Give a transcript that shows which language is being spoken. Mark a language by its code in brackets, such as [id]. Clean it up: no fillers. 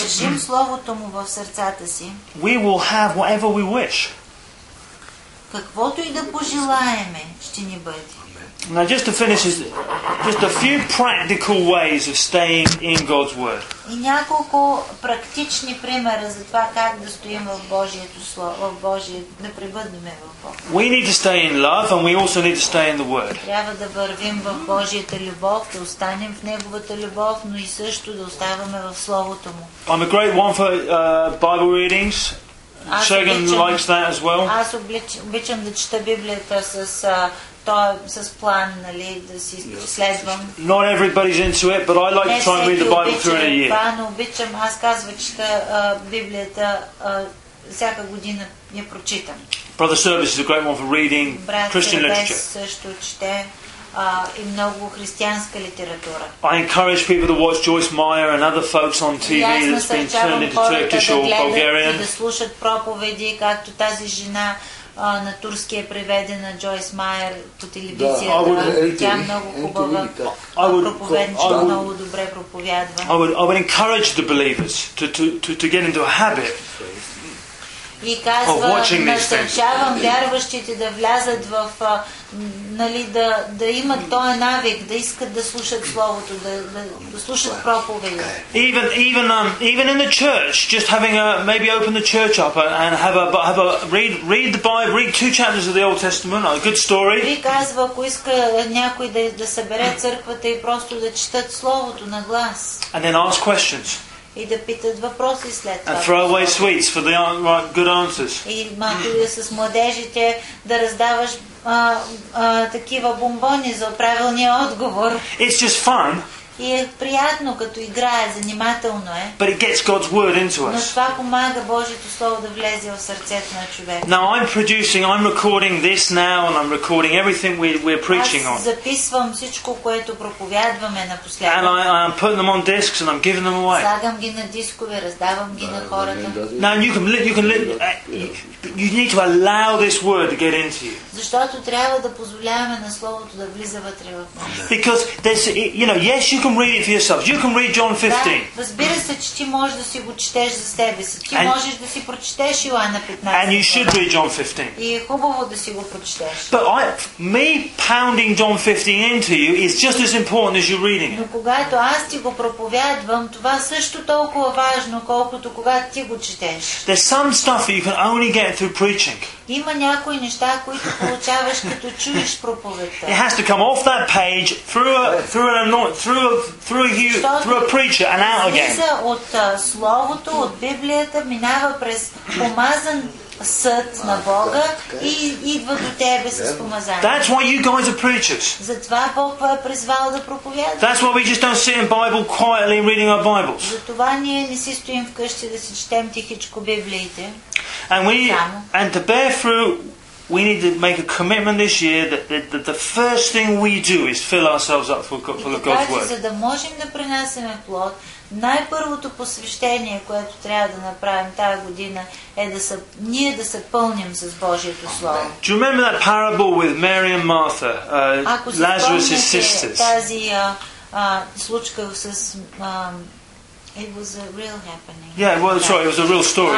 [bg] И държим словото му в сърцата си. [en] We will have whatever we wish. [bg] Каквото и да пожелаеме, ще ни бъде. [en] Now just to finish, just a few practical ways of staying in God's word. [bg] И няколко практични примера за това как да стоим в Божието слово, в Божие, да пребъдваме в Бог. [en] We need to stay in love and we also need to stay in the word. [bg] Трябва да вървим в Божията любов, да останем в неговата любов, но и също да оставаме в словото му. [en] I'm a great one for Bible readings. Shagan likes that as well. [bg] Аз обичам да чета Библията с той с план, нали, да си следвам. [en] Not everybody's into it, but I like to try and read the Bible through in a year. [bg] Не обичам, аз казвам, чета Библията всяка година, я прочитам. [en] Brother Service is a great one for reading Christian literature. [bg] Брат също чете и много християнска литература. [en] I encourage people to watch Joyce Meyer and other folks on TV that's been turned into Turkish or Bulgarian. [bg] Да слушат проповеди, както тази жена на турски е преведена Джойс Майер по телевизията. Тя много хубава проповедничка, много добре проповядва. [en] I would encourage the believers to get into a habit. [bg] И казва, насърчавам вярващите да влязат в нали, да имат този навик, да искат да слушат словото, да слушат проповеди. [en] Even in the church, just having maybe open the church up and have a read the Bible, read two chapters of the Old Testament, a good story. [bg] И казва, ако иска някой да събере църквата и просто да четат словото на глас. [en] And then ask questions. [bg] И да питат въпроси след това. [en] And throw away sweets for the good answers. [bg] И малко да с младежите да раздаваш такива бомбони за правилния отговор. [en] It's just fun. [bg] И е приятно като игра, занимателно е. [en] But it gets God's word into us. [bg] Но това помага Божието слово да влезе в сърцето на човека. [en] Now I'm producing, I'm recording this now and I'm recording everything we're preaching on. [bg] Аз записвам всичко, което проповядваме напоследък. [en] And I'm putting them on discs and I'm giving them away. [bg] Слагам ги на дискове, раздавам ги на хората. [en] Now you need to allow this word to get into you. [bg] Защото трябва да позволяваме на словото да влиза вътре в нас. [en] Because there's, you know, yes, you can can read it for yourself. You can read John 15. [bg] Да, разбира се, че ти можеш да си го четеш за себе си. Ти можеш да си прочетеш Йоанна 15. [en] And you should read John 15. [bg] И е хубаво да си го прочетеш. [en] But me pounding John 15 into you is just as important as you reading it. [bg] Но когато аз ти го проповядвам, това също толкова важно, колкото когато ти го четеш. [en] There's some stuff that you can only get through preaching. [bg] Има някои неща, които получаваш като чуеш проповедта. [en] It has to come off that page through a preacher and out again. [bg] Излиза от словото, от Библията, минава през помазан съд на Бога и идва до тебе с помазание. [en] That's why you guys are preachers. [bg] Затова Бог ви е призвал да проповядвате. [en] That's why we just don't sit in Bible quietly reading our Bibles. [bg] Затова ние не си стоим вкъщи да си четем тихичко Библиите. [en] And to bear fruit, we need to make a commitment this year that the first thing we do is fill ourselves up for the God's word. [bg] За да можем да пренасеме плод, най-първото посвещение, което трябва да направим тази година, е ние да се пълним с Божието слово. [en] Do you remember that parable with Mary and Martha, Lazarus's sisters? [bg] Тази случка с [en] It was a real happening. Yeah, well, sorry, it was a real story.